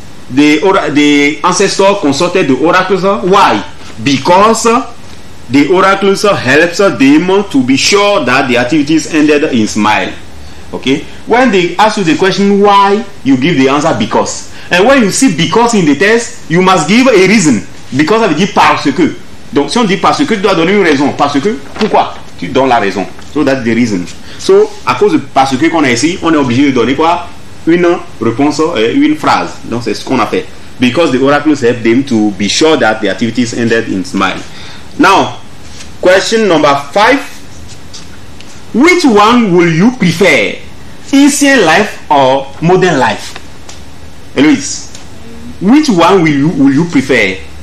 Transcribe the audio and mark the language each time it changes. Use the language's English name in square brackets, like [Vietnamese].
[English] The ancestor consulted the oracles. Why? Because the oracles helps them to be sure that the activities ended in smile. Okay? When they ask you the question why, you give the answer because. And when you see because in the test, you must give a reason. Because [French] elle dit parce que. Donc si on dit parce que, tu dois donner une raison. Parce que, pourquoi? Tu donnes la raison. [English] So that's the reason. [French] So, à cause de parce que qu'on a ici, on est obligé de donner quoi? Une réponse, une phrase. Donc c'est ce qu'on a fait. [English] Because the oracles help them to be sure that the activities ended in smile. Now, question number 5. Which one will you prefer? Ancient life or modern life? Eloise, which one will you prefer?